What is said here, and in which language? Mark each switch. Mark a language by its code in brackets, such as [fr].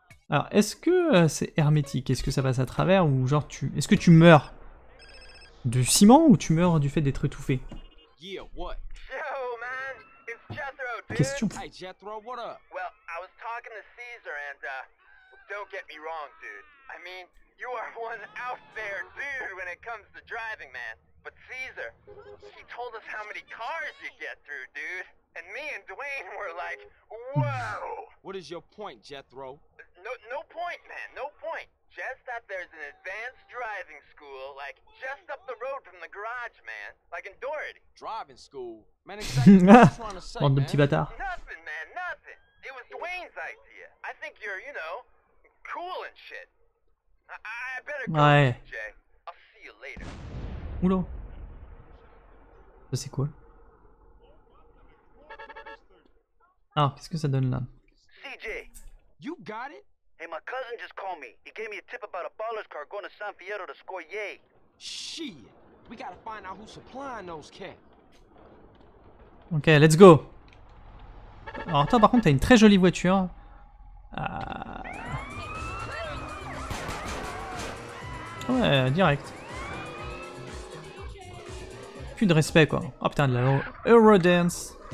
[fr] Alors, est-ce que c'est hermétique? Est-ce que ça passe à travers ou genre tu... Est-ce que tu meurs du ciment ou tu meurs du fait d'être étouffé? [en] Yeah, what? Yo, man, it's Jethro, dude. Question. Hey, Jethro, what up? Well, I was talking to Caesar, and, don't get me wrong, dude. I mean, you are one out there dude when it comes to driving, man. But Caesar, he told us how many cars you get through, dude. And me and Dwayne were like, whoa! What is your point, Jethro? No point, man, no point. Just that there's an advanced driving school, like, just up the road from the garage, man. Like in Doherty. Driving school? Man, exactly what you're trying to say, man. Nothing, man, nothing. It was Dwayne's idea. I think you're, you know, cool and shit. I better go, [fr] ouais. [en] Jay. I'll see you later. [fr] Oulou. Ça, c'est cool. Ah, qu'est-ce que ça donne là? [en] CJ. You got it? Hey, my cousin just called me. He gave me a tip about a baller's car going to San Fierro to score yay. Shit! We gotta find out who's supplying those cats. Okay, let's go! [fr] Alors toi, par contre, t'as une très jolie voiture. Ouais, direct. Plus de respect, quoi. Oh putain, de la Eurodance.